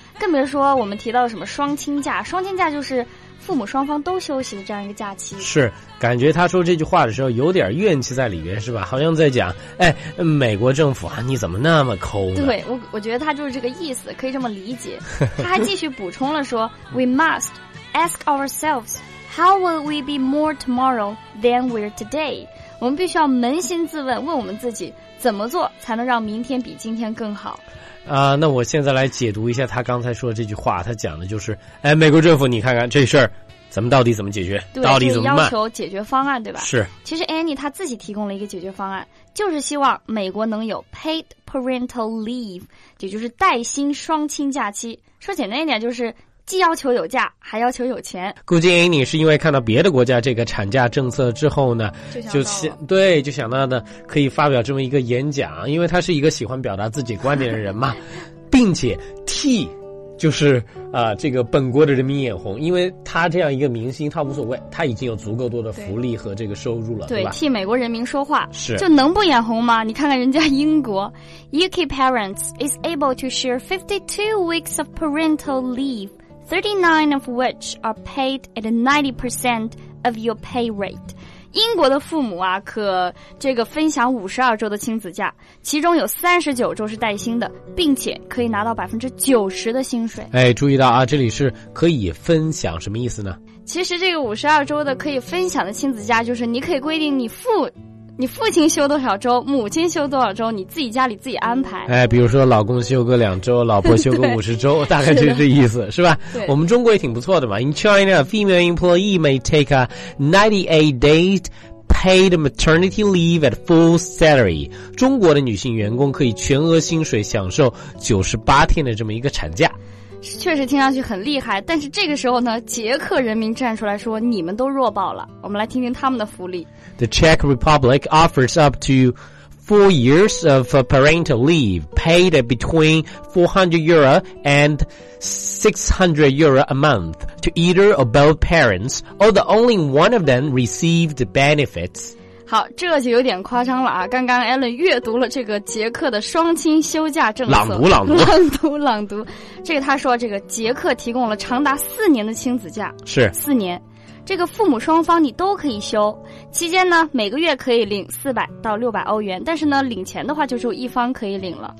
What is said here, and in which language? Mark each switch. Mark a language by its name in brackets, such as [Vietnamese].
[Chinese] 更别说我们提到什么双亲假，双亲假就是父母双方都休息的这样一个假期。是，感觉他说这句话的时候有点怨气在里边，是吧？好像在讲，哎，美国政府啊，你怎么那么抠呢？对，我觉得他就是这个意思，可以这么理解。他还继续补充了说， [English] We must ask ourselves, how will we be more tomorrow than we're today? [Chinese] 我们必须要扪心自问，问我们自己，怎么做才能让明天比今天更好？那我现在来解读一下他刚才说的这句话，他讲的就是，哎，美国政府，你看看这事儿，咱们到底怎么解决？对，到底怎么办？要求解决方案，对吧？是。其实 Annie 他自己提供了一个解决方案，就是希望美国能有 paid parental leave， 也就是带薪双亲假期。说简单一点，就是既要求有假，还要求有钱。估计 Annie 是因为看到别的国家这个产假政策之后呢，就想到的可以发表这么一个演讲，因为他是一个喜欢表达自己观点的人嘛，并且替。就是这个本国的人民眼红，因为他这样一个明星，他无所谓，他已经有足够多的福利和这个收入了，对吧？替美国人民说话，是就能不眼红吗？你看看人家英国 [English] ，UK parents is able to share 52 weeks of parental leave, 39 of which are paid at 90% of your pay rate。 [Chinese] 英国的父母啊，可这个分享52周的亲子假，其中有39周是带薪的，并且可以拿到90%的薪水。哎，注意到啊，这里是可以分享，什么意思呢？其实这个52周的可以分享的亲子假，就是你可以规定你父亲休多少周，母亲休多少周，你自己家里自己安排。哎，比如说老公休个两周，老婆休个50周，大概就是这意思，是吧？我们中国也挺不错的嘛。 [English] In China, female employee may take a 98 day paid maternity leave at full salary. [Chinese] 中国的女性员工可以全额薪水享受98天的这么一个产假。确实听上去很厉害，但是这个时候呢，捷克人民站出来说，你们都弱爆了，我们来听听他们的福利。 [English] The Czech Republic offers up to 4 years of parental leave paid between 400 euro and 600 euro a month to either or both parents, although only one of them received benefits. [Chinese] 好，这就有点夸张了啊！刚刚 Alan 阅读了这个捷克的双亲休假政策，朗读朗读朗读朗读。这个他说，这个捷克提供了长达4年的亲子假，是 4年，这个父母双方你都可以休，期间呢每个月可以领400到600欧元，但是呢领钱的话就只有一方可以领了。